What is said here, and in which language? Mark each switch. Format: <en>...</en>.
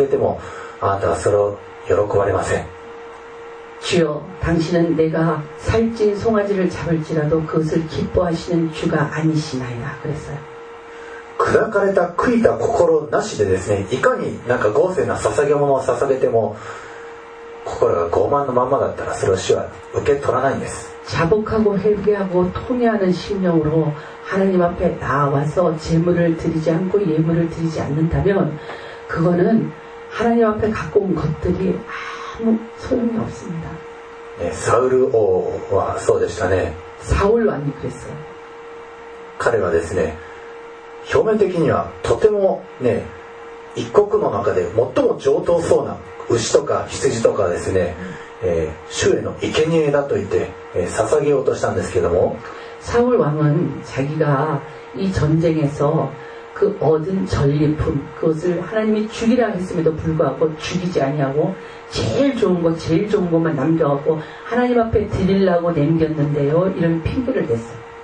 <ja>例え私が肥えた牛を捧げても、あなたはそれを喜ばれません。</ja> <ko>주여, 당신은 내가 살찐 송아지를 잡을지라도 그것을 기뻐하시는 주가 아니시나이다. 그랬어요.</ko> <ja>砕かれた悔いた心なしでですね、いかになんか豪勢な捧げ物を捧げても、心が傲慢のままだったら、それを主は受け取らないんです。</ja> <ko>자복하고 회개하고 통회하는 심령으로 하나님 앞에 나와서 제물을 드리지 않고 예물을 드리지 않는다면 그거는 하나님 앞에 갖고 온 것들이 아무 소용이 없습니다. 네, 사울 왕은</ko> <ja>そうでしたね.</ja> <ko>사울 왕이 그랬어요.</ko> <ja>彼はですね, 表面的にはとてもね, 一国の中で最も上等そうな牛とか羊とかですね、 主への生贄だと言って捧げようとしたんですけども、</ja> <ko>사울 왕은 자기가 이 전쟁에서 그 얻은 전리품 그것을 하나님이 죽이라 했음에도 불구하고 죽이지 아니하고 제일 좋은 것, 제일 좋은 것만 남겨갖고 하나님 앞에 드리려고 남겼는데요 이런 핑계를 댔어요.</ko>